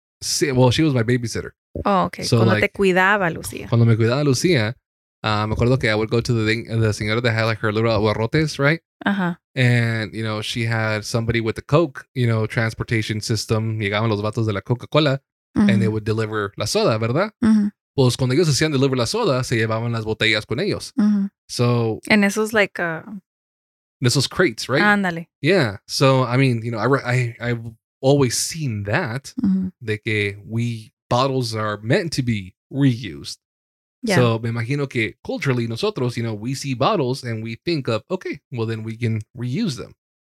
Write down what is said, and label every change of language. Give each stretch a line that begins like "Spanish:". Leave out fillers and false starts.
Spanish: Sí,
English: well, she was my babysitter. Oh, okay.
Spanish: So, cuando like, te cuidaba Lucía. Cuando me cuidaba Lucía, me acuerdo que
English: I would go to the señora that had like her little abarrotes, right? Uh-huh. And, you know, she had somebody with the Coke, you know, transportation system.
Spanish: Llegaban los vatos de la Coca-Cola
English: and they would deliver
Spanish: la soda, ¿verdad? Uh-huh. Pues cuando ellos hacían
English: deliver
Spanish: la soda, se llevaban las botellas con ellos. Uh-huh.
English: So... And this was like a... Nestle's crates, right?
Spanish: Ándale.
English: Yeah. So, I mean, you know, I've always seen that, mm-hmm.
Spanish: de que
English: we bottles are meant to be reused. Yeah. So,
Spanish: me imagino que
English: culturally
Spanish: nosotros,
English: you know, we see bottles and we think of, okay, well, then we can reuse them.